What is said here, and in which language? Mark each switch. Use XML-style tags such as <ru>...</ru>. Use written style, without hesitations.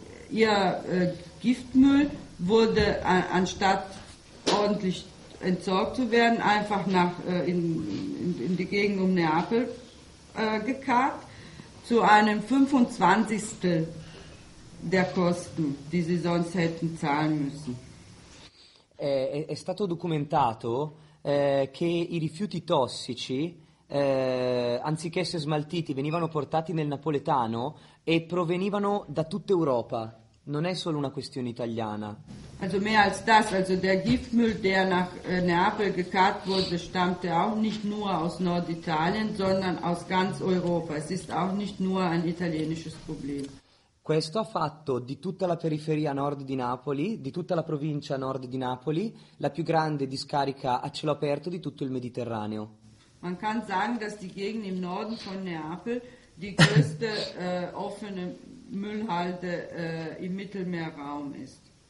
<de>Ihr Giftmüll wurde anstatt ordentlich entsorgt zu werden, einfach nach in die Gegend um Neapel gekarrt, zu einem 25stel der Kosten, die sie sonst hätten zahlen müssen.</de> <it>È stato documentato che i rifiuti tossici, anziché essere smaltiti, venivano portati nel napoletano e provenivano da tutta Europa. Non è solo una questione italiana.</it> <de>Also mehr als das, also der Giftmüll, der nach Neapel gekarrt wurde, stammte auch nicht nur aus Norditalien, sondern aus ganz Europa. Es ist auch nicht nur ein italienisches Problem.</de> <it>Questo ha fatto di tutta la periferia nord di Napoli, di tutta la provincia nord di Napoli, la più grande discarica a cielo aperto di tutto il Mediterraneo.</it> <de>Man kann sagen, dass die Gegend im Norden von Neapel die größte offene Müllhalde im Mittelmeerraum ist.</de>